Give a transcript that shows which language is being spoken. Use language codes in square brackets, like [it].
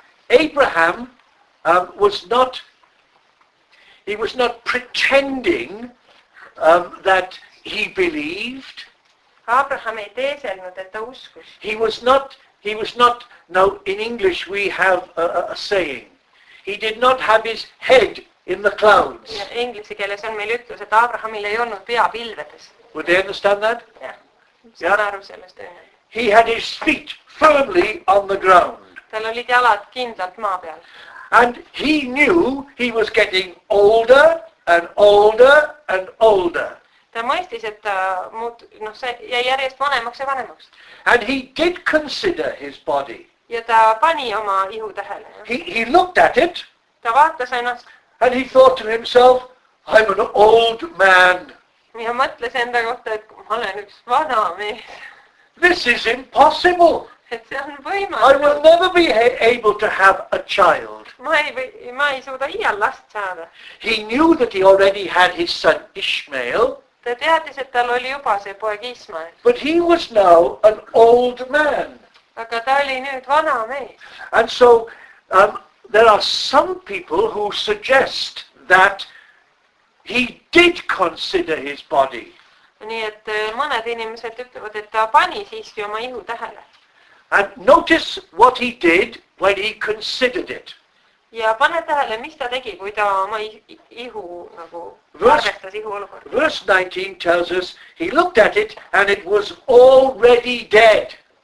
[en] Abraham was not pretending that he believed. [et] Abraham ei teeselnud, et ta uskus. [en] He was not, now in English we have a saying, he did not have his head in the clouds. [et] Ja inglise keeles on meil ütlus, et Abrahamil ei olnud pea pilvedes. [en] Would they understand that? [et] Ja, saan aru sellest. [en] He had his feet firmly on the ground. [et] Tal olid jalad kindlalt maa peal. [en] And he knew he was getting older and older and older. [et] Ta mõistis, et ta jäi järjest vanemaks ja vanemaks. [en] And he did consider his body. [et] Ja ta pani oma ihu tähele. [en] He looked at it. [et] Ta vaatas ennast. [en] And he thought to himself, I'm an old man. [et] Ja mõtles enda kohta, et ma olen üks vana mees. [en] This is impossible. [et] Et see on võimalik. [en] I will never be able to have a child. [et] Ma ei suuda iial last saada. [en] He knew that he already had his son Ishmael. [et] Ta teadis, et tal oli juba see poeg Ismael. [en] But he was now an old man. [et] Aga ta oli nüüd vana mees. [en] And so there are some people who suggest that he did consider his body. [et] Nii et mõned inimesed ütlevad, et ta pani siiski oma ihu tähele. [en] And notice what he did when he considered it. [et] Ja pane tähele, mis ta tegi, kui ta oma ihu nagu arvestas ihu olukorda. [en] Verse 19 tells us he looked at it and it was already dead.